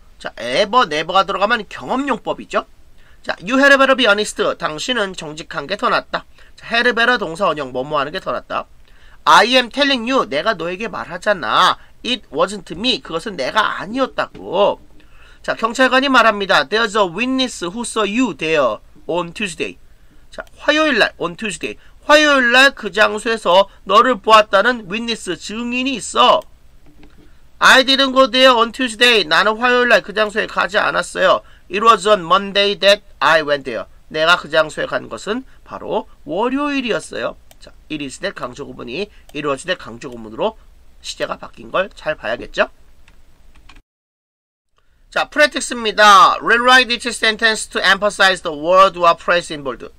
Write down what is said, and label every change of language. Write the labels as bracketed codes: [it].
[en] 자, ever, never가 [ko] 들어가면 경험용법이죠. [en] 자, you had a better be honest. [ko] 당신은 정직한 게 더 낫다. 자, [en] had a better [ko] 동사 원형, 뭐뭐 하는 게 더 낫다. [en] I am telling you. [ko] 내가 너에게 말하잖아. [en] It wasn't me. [ko] 그것은 내가 아니었다고. 자, 경찰관이 말합니다. [en] There's a witness who saw you there on Tuesday. [ko] 자, 화요일날, [en] on Tuesday. [ko] 화요일날 그 장소에서 너를 보았다는 witness, 증인이 있어. [en] I didn't go there on Tuesday. [ko] 나는 화요일날 그 장소에 가지 않았어요. [en] It was on Monday that I went there. [ko] 내가 그 장소에 간 것은 바로 월요일이었어요. 자, it is that 강조구문이 it was that 강조구문으로 시제가 바뀐 걸 잘 봐야겠죠? 자, 프레틱스입니다. [en] Rewrite each sentence to emphasize the word or phrase in bold.